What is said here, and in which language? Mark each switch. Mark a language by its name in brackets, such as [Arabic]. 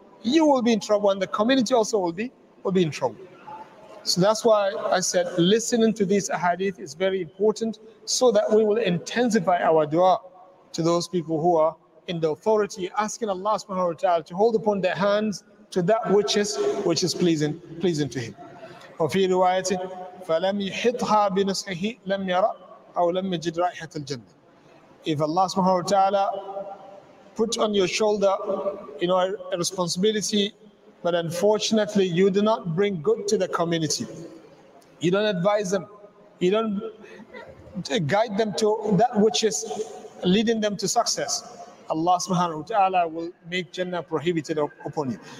[English] You will be in trouble, and the community also will be in trouble. So that's why I said listening to these ahadith is very important, so that we will intensify our dua to those people who are in the authority, asking Allah subhanahu wa ta'ala to hold upon their hands to that which is pleasing to him. [Arabic] وفي رواية فلم يحطها بنصحه لم يرى أو لم يجد رائحة الجنة. [English] If Allah subhanahu wa ta'ala put on your shoulder, you know, a responsibility, but unfortunately you do not bring good to the community, you don't advise them, you don't guide them to that which is leading them to success, Allah subhanahu wa ta'ala will make Jannah prohibited upon you.